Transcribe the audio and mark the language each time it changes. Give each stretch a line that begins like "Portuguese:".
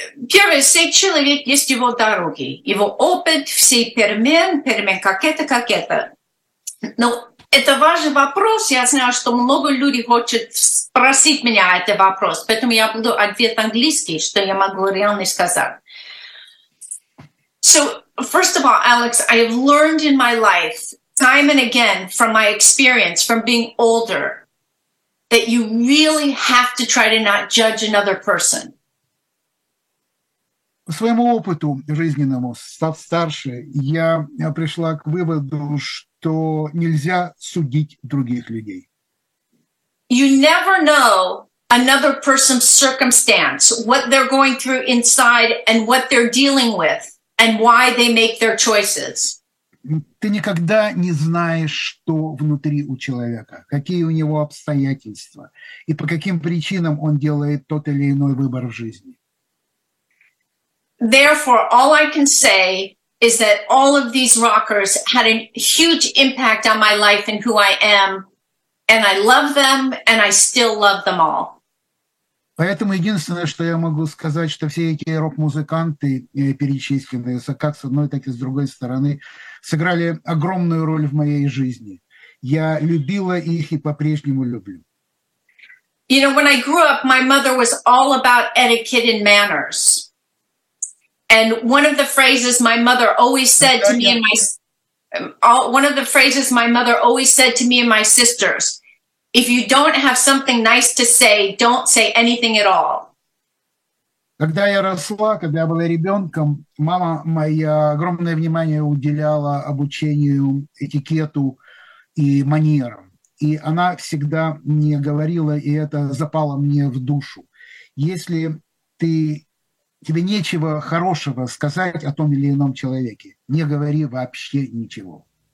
Russian: Первое, все человек есть его дороги, его опыт, все перемен, как это. Но это важный вопрос. Я знаю, что много людей хочет спросить меня этот вопрос, поэтому я буду ответ английский, что я могу реально сказать.
English: So, first of all, Alex, I have learned in my life, time and again, from my experience, from being older, that you really have to try to not judge another person.
Russian: По своему опыту жизненному, став старше, я пришла к выводу, что нельзя судить других людей.
English: You never know another person's circumstance, what they're going through inside and what they're dealing with and why they make their choices.
Russian: Ты никогда не знаешь, что внутри у человека, какие у него обстоятельства и по каким причинам он делает тот или иной выбор в жизни.
English: Therefore, all I can say is that all of these rockers had a huge impact on my life and who I am, and I love them, and I still love them all.
Russian: Поэтому единственное, что я могу сказать, что все эти рок-музыканты, перечисленные как с одной, так и с другой стороны, сыграли огромную роль в моей жизни. Я любила их и по-прежнему люблю.
English: You know, when I grew up, my mother was all about etiquette and manners. And one of the phrases my mother always said to me and my sisters, if you don't have something nice to say, don't say anything at all.
Russian: Когда я росла, когда я была ребенком, мама моя огромное внимание уделяла обучению этикету и манерам. И она всегда мне говорила, и это запало мне в душу. Если тебе нечего хорошего сказать о том или ином человеке, не говори вообще ничего.